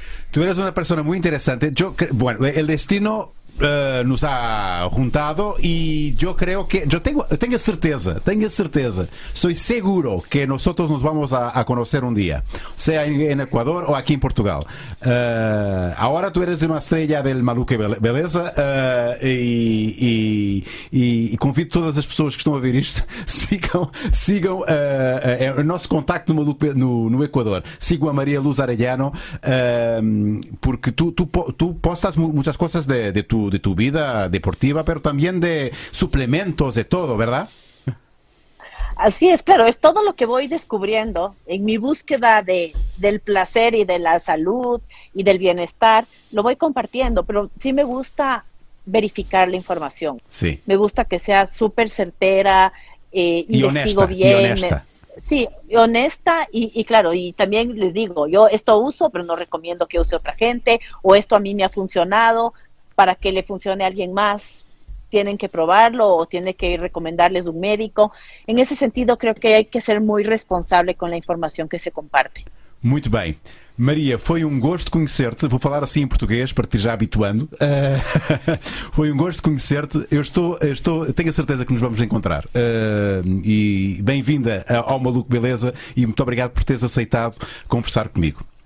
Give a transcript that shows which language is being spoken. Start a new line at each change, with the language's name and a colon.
Spanish: Tú eres una persona muy interesante. Yo, bueno, el destino nos ha juntado y yo creo que, tengo certeza, soy seguro que nosotros nos vamos a conocer un día, sea en Ecuador o aquí en Portugal. Ahora tú eres una estrella del Maluco Beleza,
Portuguese: y convido todas as pessoas que estão a ver isto, sigam o nosso contacto no Maluco no Ecuador.
Spanish: Sigo a Maria Luz Arellano, porque tú postas muchas cosas de tu vida deportiva, pero también de suplementos, de todo, ¿verdad? Así es, claro, es todo lo que voy descubriendo en mi búsqueda del placer y de la salud y del bienestar, lo voy compartiendo, pero sí me gusta verificar la información. Sí. Me gusta que sea súper certera, y honesta. Sí, honesta y claro, y también les digo, yo esto uso, pero no recomiendo que use otra gente, o esto a mí me ha funcionado. Para que le funcione a alguien más, tienen que probarlo o tiene que recomendarles un médico. En ese sentido, creo que hay que ser muy responsable con la información que se comparte.
Portuguese: Muito bem. Maria, foi um gosto conhecer-te. Vou falar assim em português para te já habituando. Foi um gosto conhecer-te. Eu tenho a certeza que nos vamos encontrar. E bem-vinda ao Maluco Beleza e muito obrigado por teres aceitado conversar comigo.